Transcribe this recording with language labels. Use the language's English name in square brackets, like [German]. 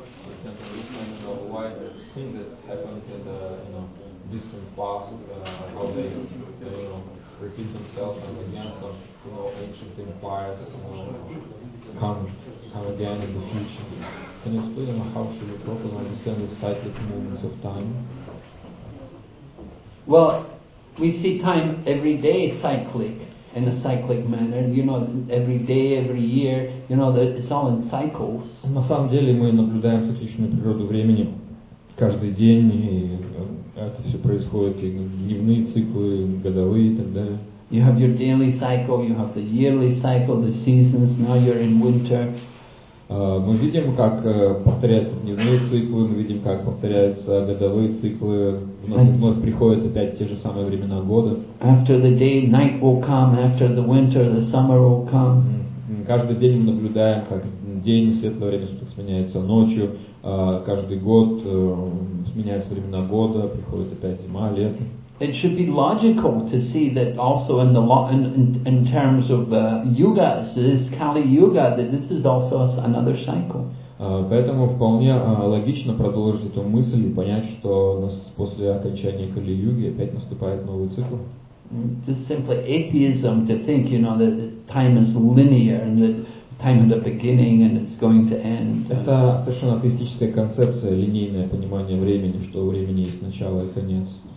[English] For example, this kind of why the thing that happened in the, you know, distant past, how they, you know, repeat themselves and again some, you know, ancient empires come again in the future. Can you explain how should we properly understand the cyclic movements of time? Well, we see time every day cyclic. In a cyclic manner, you know, every day, every year, you know, it's all in cycles. [Russian] На самом деле мы наблюдаем цикличную природу времени каждый день, и это все происходит, и дневные циклы, годовые и так далее. [English] You have your daily cycle, you have the yearly cycle, the seasons, now you're in winter. [Russian] Мы видим, как повторяются дневные циклы, мы видим, как повторяются годовые циклы, вновь приходят опять те же самые времена года. [English] After the day, night will come, after the winter, the summer will come. [Russian] Каждый день мы наблюдаем, как день, светлое время сменяется ночью, каждый год сменяются времена года, приходит опять зима, лето. [English] It should be logical to see that also in the in terms of yugas, this Kali Yuga, that this is also another cycle. [Russian] Поэтому вполне логично продолжить эту мысль и понять, что после окончания Кали Юги опять наступает новый цикл. [English] It's just simply atheism to think, you know, that time is linear and that time at the beginning and it's going to end. [Russian] Это совершенно атеистическая концепция, линейное понимание времени, что у времени есть начало и конец.